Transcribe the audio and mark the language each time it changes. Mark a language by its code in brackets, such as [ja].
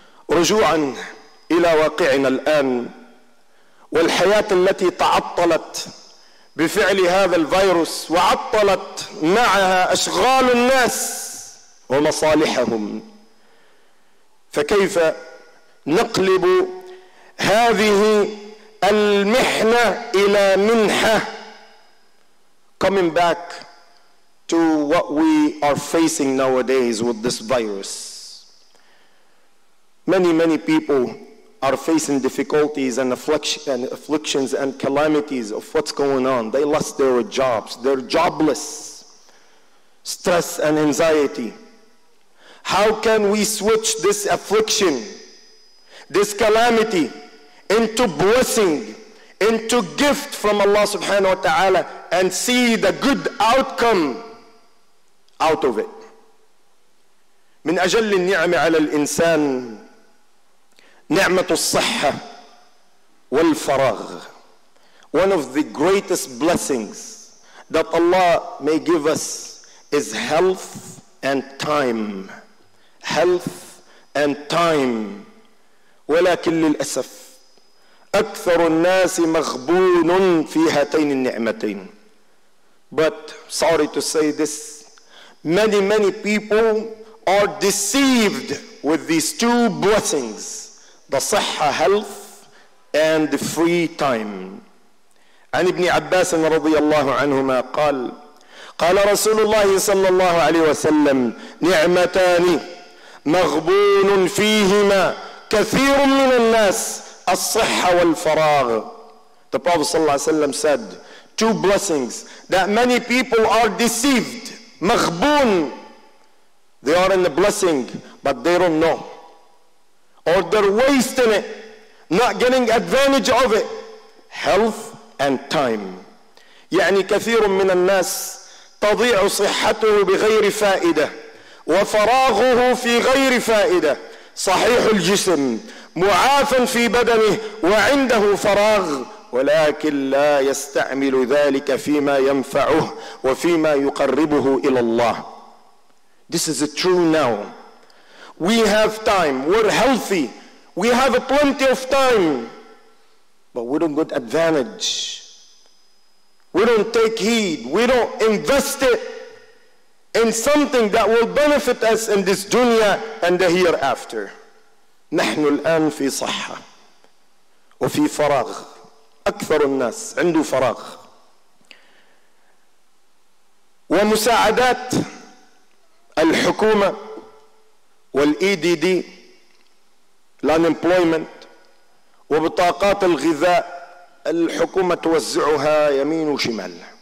[ar] رجوعا إلى واقعنا الآن والحياة التي تعطلت بفعل هذا الفيروس وعطلت معها أشغال الناس ومصالحهم فكيف نقلب هذه المحنة إلى منحة [en] Coming back to what we are facing nowadays with this virus. Many, many people are facing difficulties and afflictions and calamities of what's going on. They lost their jobs. They're jobless. Stress and anxiety. How can we switch this affliction, this calamity, into blessing, into gift from Allah subhanahu wa ta'ala and see the good outcome out of it. [ar] من أجل النعم على الإنسان نعمة الصحة والفراغ. [en] One of the greatest blessings that Allah may give us is health and time. Health and time. [ar] ولكن للأسف أكثر الناس مغبون في هاتين النعمتين. [en] But sorry to say this, many, many people are deceived with these two blessings, the sahha, health, and the free time. [ar] عن ابن عباس رضي الله عنهما قال قال رسول الله صلى الله عليه وسلم نعمتان مغبون فيهما كثير من الناس الصحة والفراغ. [en] The Prophet صلى الله عليه وسلم said, two blessings that many people are deceived, مغبون. They are in the blessing, but they don't know. Or they're wasting it, not getting advantage of it. Health and time. [ar] يعني كثير من الناس تضيع صحته بغير فائدة وفراغه في غير فائدة. صحيح الجسم معافى في بدنه وعنده فراغ ولكن لا يستعمل ذلك فيما ينفعه وفيما يقربه إلى الله. [en] This is true now. We have time. We're healthy. We have plenty of time. But we don't get advantage. We don't take heed. We don't invest it in something that will benefit us in this dunya and the hereafter. [ar] نحن الآن في صحة وفي فراغ. أكثر الناس عنده فراغ ومساعدات الحكومة وال [en] EDD unemployment [ar] وبطاقات الغذاء الحكومة توزعها يمين وشمال